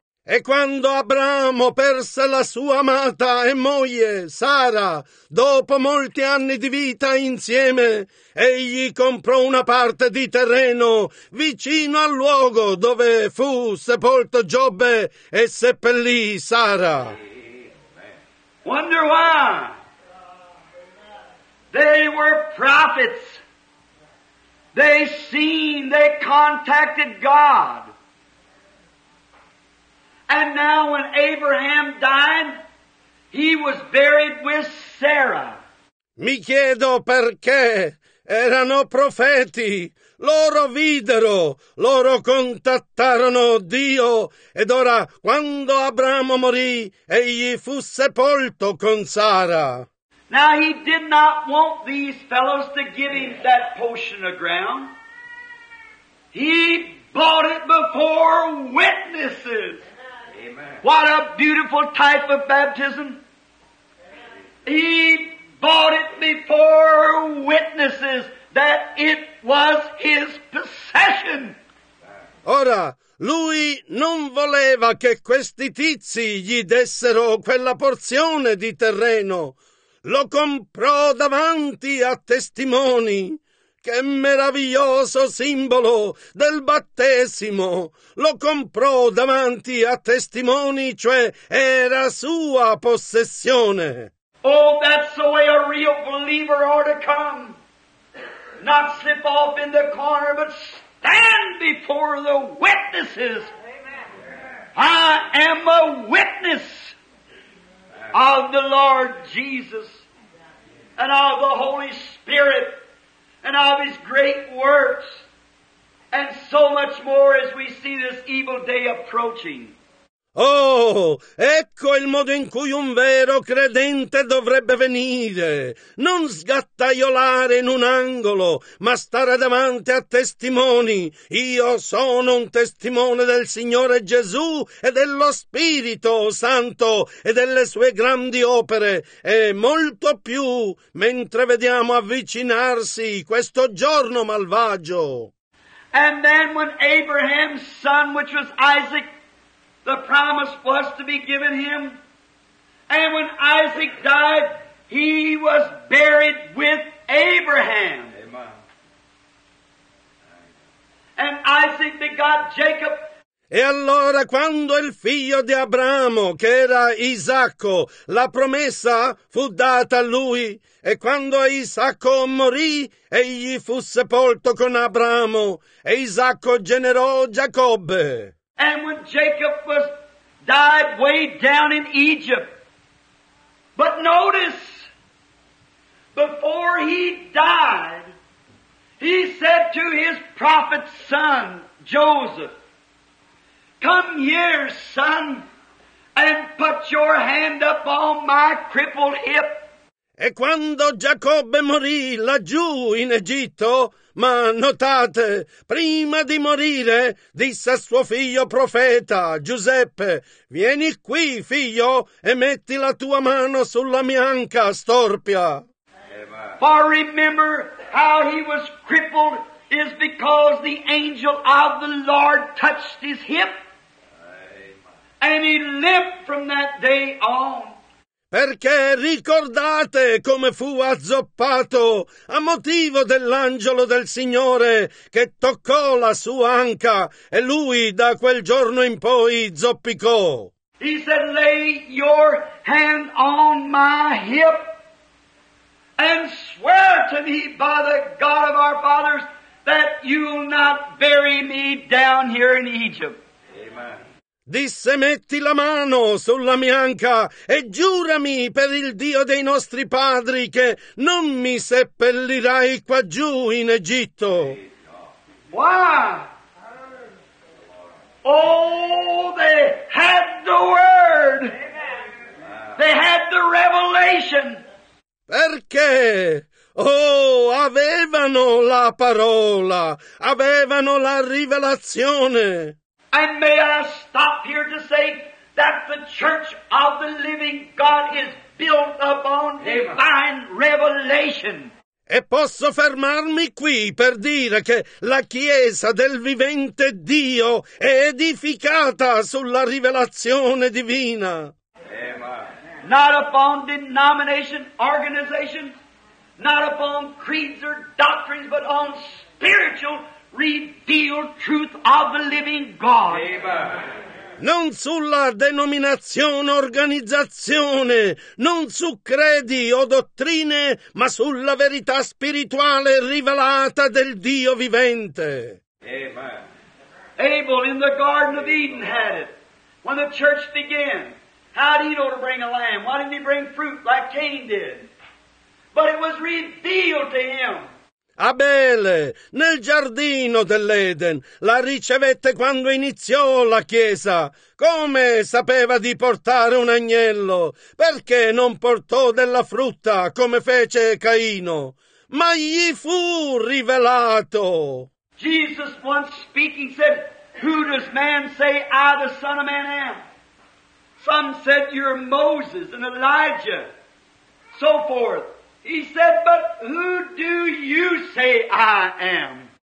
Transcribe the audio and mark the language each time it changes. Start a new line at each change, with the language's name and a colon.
Italian: E quando Abramo perse la sua amata e moglie, Sara, dopo molti anni di vita insieme, egli comprò una parte di terreno vicino al luogo dove fu sepolto Giobbe e seppellì Sara.
English: Amen. Wonder why? They were prophets. They seen, they contacted God. And now when Abraham died, he was buried with Sarah.
Italian: Mi chiedo perché erano profeti. Loro videro, loro contattarono Dio. Ed ora, quando Abramo morì, egli fu sepolto con Sara.
English: Now he did not want these fellows to give him that portion of ground. He bought it before witnesses. Amen. What a beautiful type of baptism. He bought it before witnesses that it was his possession.
Italian: Ora, lui non voleva che questi tizi gli dessero quella porzione di terreno. Lo comprò davanti a testimoni. Che meraviglioso simbolo del battesimo! Lo comprò davanti a testimoni, cioè era sua possessione.
English: Oh, that's the way a real believer ought to come. Not slip off in the corner, but stand before the witnesses. Amen. I am a witness of the Lord Jesus. And of the Holy Spirit, and of His great works, and so much more as we see this evil day approaching.
Italian: Oh, ecco il modo in cui un vero credente dovrebbe venire. Non sgattaiolare in un angolo, ma stare davanti a testimoni. Io sono un testimone del Signore Gesù e dello Spirito Santo e delle sue grandi opere. E molto più, mentre vediamo avvicinarsi questo giorno malvagio.
English: And then when Abraham's son, which was Isaac, the promise was to be given him. And when Isaac died, he was buried with Abraham. Amen. And Isaac begot Jacob.
Italian: E allora, quando il figlio di Abramo, che era Isacco, la promessa fu data a lui, e quando Isacco morì, egli fu sepolto con Abramo, e Isacco generò Giacobbe.
English: And when Jacob was died way down in Egypt. But notice, before he died, he said to his prophet's son, Joseph, come here, son, and put your hand up on my crippled hip.
Italian: E quando Giacobbe morì laggiù in Egitto, ma notate, prima di morire, disse a suo figlio profeta Giuseppe, vieni qui, figlio, e metti la tua mano sulla mia anca storpia.
English: For remember how he was crippled is because the angel of the Lord touched his hip. And he lived from that day on.
Italian: Perché ricordate come fu azzoppato a motivo dell'angelo del Signore che toccò la sua anca e lui da quel giorno in poi zoppicò.
English: He said, lay your hand on my hip and swear to me by the God of our fathers that you'll not bury me down here in Egypt.
Italian: Disse, metti la mano sulla mia anca e giurami per il Dio dei nostri padri che non mi seppellirai qua giù in Egitto.
English: Why? Oh, they had the word. They had the revelation.
Italian: Perché? Oh, avevano la parola, avevano la rivelazione.
English: And may I stop here to say that the church of the living God is built upon divine revelation.
Italian: E posso fermarmi qui per dire che la Chiesa del vivente Dio è edificata sulla rivelazione divina.
English: Amen. Not upon denomination, organization, not upon creeds or doctrines, but on spiritual revealed truth of the living God.
Italian: Non sulla denominazione, organizzazione, non su credi o dottrine, ma sulla verità spirituale rivelata del Dio vivente.
English: Abel in the Garden of Eden had it. When the church began, how did Eno bring a lamb? Why didn't he bring fruit like Cain did? But it was revealed to him.
Italian: Abele, nel giardino dell'Eden, la ricevette quando iniziò la Chiesa. Come sapeva di portare un agnello? Perché non portò della frutta, come fece Caino? Ma gli fu rivelato.
English: Jesus, once speaking, said, who does man say I, the Son of Man, am? Some said, you're Moses and Elijah, so forth. He said, but who do you say I am?